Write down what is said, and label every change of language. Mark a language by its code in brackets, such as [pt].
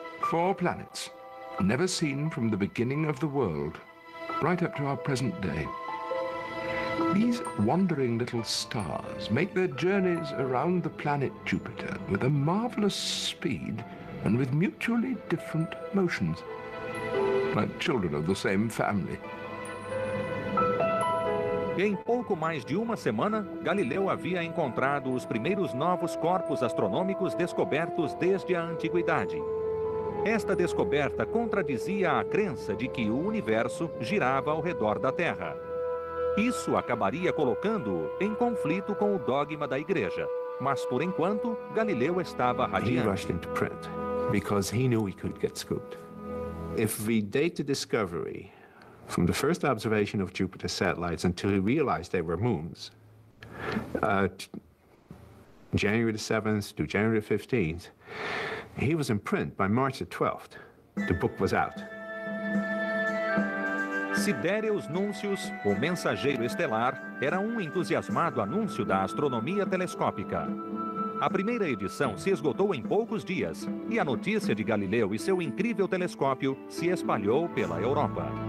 [en] 4 planets, never seen from the beginning of the world, right up to our present day. These wandering little stars make their journeys around the planet Jupiter with a marvelous speed and with mutually different motions, like children of the same family. [pt] Em pouco mais de uma semana, Galileu havia encontrado os primeiros novos corpos astronômicos descobertos desde a antiguidade. Esta descoberta contradizia a crença de que o universo girava ao redor da Terra. Isso acabaria colocando-o em conflito com o dogma da igreja. Mas, por enquanto, Galileu estava radiante. Ele [en] rushed into print because he knew he could get scooped. If we date the discovery from the first observation of Jupiter satellites until he realized they were moons, January the 7th to January the 15th, he was in print by March the 12th. The book was out. [pt] Sidereus Nuncius, o mensageiro estelar, era um entusiasmado anúncio da astronomia telescópica. A primeira edição se esgotou em poucos dias, e a notícia de Galileu e seu incrível telescópio se espalhou pela Europa.